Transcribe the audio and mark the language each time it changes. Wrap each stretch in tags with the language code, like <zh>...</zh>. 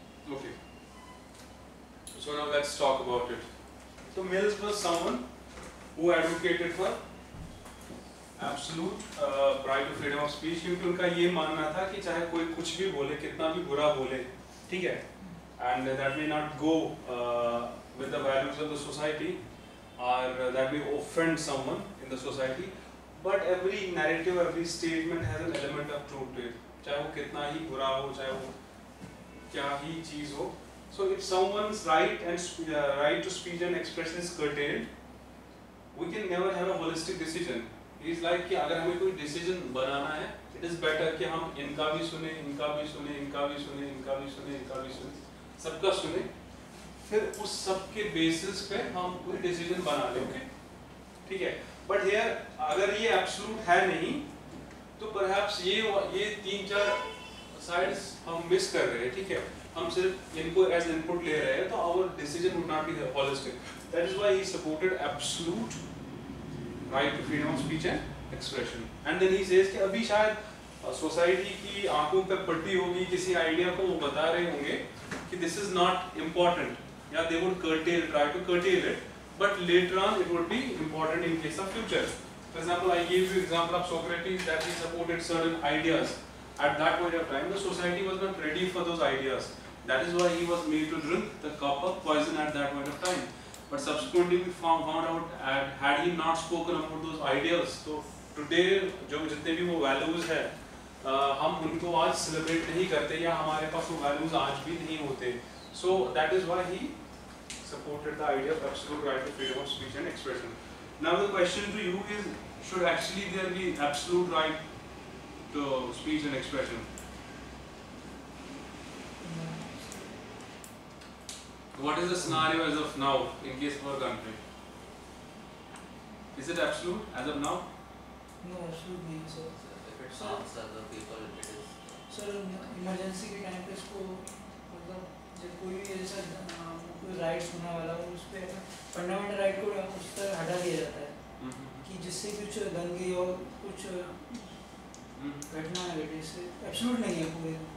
<en>Okay. So now let's talk about it. So Mills was someone who advocated for absolute right to freedom of speech.</en> <hi>क्योंकि उनका ये मानना था कि चाहे कोई कुछ भी बोले, कितना भी बुरा बोले, ठीक है?</hi> <en>And that may not go with the values of the society, or that may offend someone in the society. But every narrative, every statement has an element of truth to it.</en> <hi>चाहे वो कितना ही बुरा हो, चाहे वो क्या ही चीज हो.</hi> <en>So if someone's right and right to speech and expression is curtailed, we can never have a holistic decision.</en> <hi>Is like कि अगर हमें कोई डिसीजन बनाना है,</hi> <en>it is better</en> <hi>कि हम इनका भी सुने, इनका भी सुने, इनका भी सुने, इनका भी सुने, इनका भी सुने, सबका सुने, फिर उस सबके बेसिस पे हम कोई डिसीजन बना लें. ओके, ठीक है. बट हियर अगर ये एब्सोल्यूट है नहीं, तो परहैप्स ये तीन चार साइड्स हम मिस कर रहे हैं. ठीक है, हम सिर्फ इनको एज इनपुट ले रहे हैं, तो</hi> <en>Our decision would not be holistic. That is why he supported absolute right to freedom of speech and expression. And then he says कि</en> <hi>अभी शायद सोसाइटी की आंखों पर पट्टी होगी किसी आइडिया को, वो बता रहे होंगे</hi> <en>कि this is not important, या they would curtail, try to curtail it, but later on it would be important in case of future. For example, I gave you example of Socrates, that he supported certain ideas at that point of time. The society was not ready for those ideas. That is why he was made to drink the cup of poison at that point of time. But subsequently, we found out that had he not spoken about those ideas, so today,</en> <hi>जो जितने भी वो values हैं, हम उनको आज celebrate नहीं करते, या हमारे पास वो values आज भी नहीं होते.</hi> <en>So that is why he supported the idea of absolute right to freedom of speech and expression. Now the question to you is, should actually there be absolute right to speech and expression? What is the scenario as of now in case of our country? Is it absolute as of now? No, absolute</en> <hi>नहीं</hi> <en>sir. If it harms other people, it is.</en> <hi>Sir, emergency के time पे इसको मतलब जब कोई भी ऐसा कोई राइट होने वाला हो, उस पे फंडामेंटल राइट को उस तरह हटा दिया जाता है कि जिससे कुछ दंगे और कुछ घटना घटे, इससे एब्सोल्यूट नहीं है कोई.</hi>